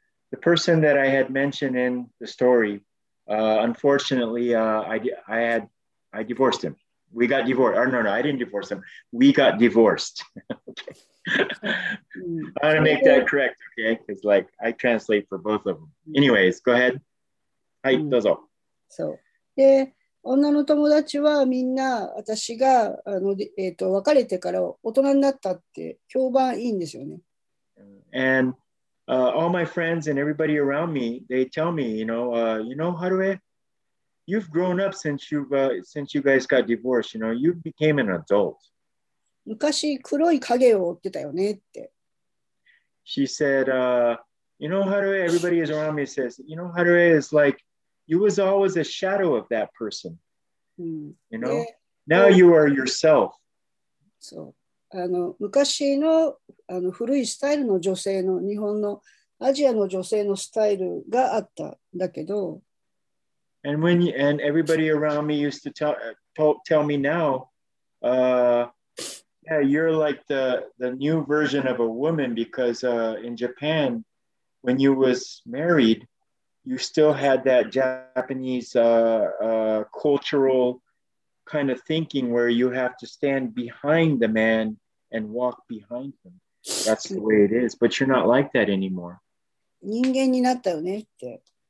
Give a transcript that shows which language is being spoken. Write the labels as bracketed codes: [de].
[en] The person that I had mentioned in the story, unfortunately, I divorced him. We got divorced. Oh, no, I didn't divorce him. We got divorced. okay. I want to make that correct, okay? It's like I translate for both of them. Anyways, go ahead. [ja] はい、どうぞ。そう。で、女の友達はみんな私が別れてから大人になったって評判いいんですよね。 [en] And all my friends and everybody around me, they tell me, you know, Harue, you've grown up since you guys got divorced. You know, you became an adult. [ja] 昔黒い影を追ってたよねって。 [en] she said, you know, Harue, everybody is around me says, you know, Harue is like, you was always a shadow of that person. Mm. You know, yeah. Now you are yourself. [ja] So, あの、昔の、あの、古いスタイルの女性の、日本のアジアの女性のスタイルがあっただけど。 [en] And when you, and everybody around me used to tell me now, yeah, you're like the new version of a woman because in Japan, when you was married, you still had that Japanese cultural kind of thinking where you have to stand behind the man and walk behind him. That's the way it is. But you're not like that anymore. [ja] 人間になったよねって。